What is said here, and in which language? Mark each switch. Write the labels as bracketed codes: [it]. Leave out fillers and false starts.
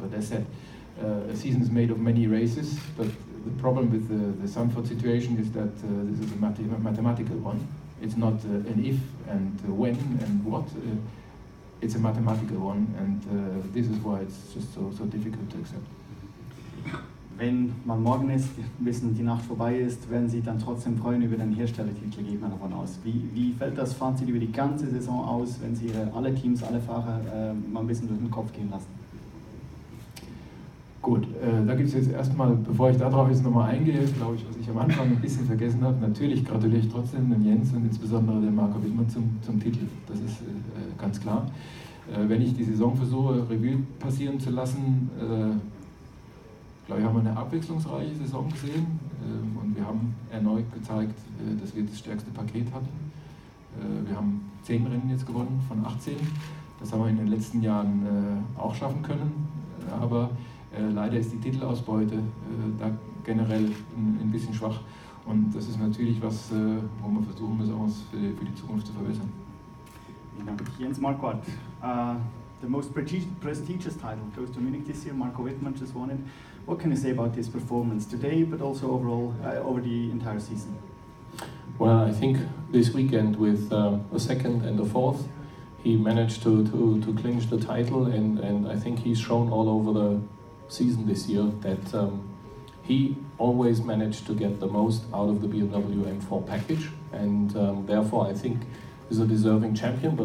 [en] But as I said, a season is made of many races, but the problem with the Zandvoort situation is that this is a mathematical one. It's not an if and when and what, it's a mathematical one, and this is why it's just so difficult to accept. [de] Wenn man morgen ist, wissen die Nacht vorbei ist, werden Sie dann trotzdem freuen über den Herstellertitel, geht man davon aus. Wie fällt das Fazit über die ganze Saison aus, wenn Sie alle Teams, alle Fahrer mal ein bisschen durch den Kopf gehen lassen? Gut, da gibt es jetzt erstmal, bevor ich darauf jetzt nochmal eingehe, glaube ich, was ich am Anfang ein bisschen vergessen habe. Natürlich gratuliere ich trotzdem dem Jens und insbesondere dem Marco Wittmann zum Titel. Das ist ganz klar. Wenn ich die Saison versuche, Revue passieren zu lassen, ich glaube, wir haben eine abwechslungsreiche Saison gesehen und wir haben erneut gezeigt, dass wir das stärkste Paket hatten. Wir haben 10 Rennen jetzt gewonnen von 18. Das haben wir in den letzten Jahren auch schaffen können. Aber leider ist die Titelausbeute da generell ein bisschen schwach. Und das ist natürlich was, wo wir versuchen müssen, uns für die Zukunft zu verbessern. Vielen Dank, Jens Marquardt. [en] The most prestigious title goes to Munich this year. Marco Wittmann just won it. What can you say about this performance today, but also overall, over the entire season? Well, I think this weekend with a second and a fourth, he managed to clinch the title, and I think he's shown all over the season this year that he always managed to get the most out of the BMW M4 package, and therefore I think is a deserving champion.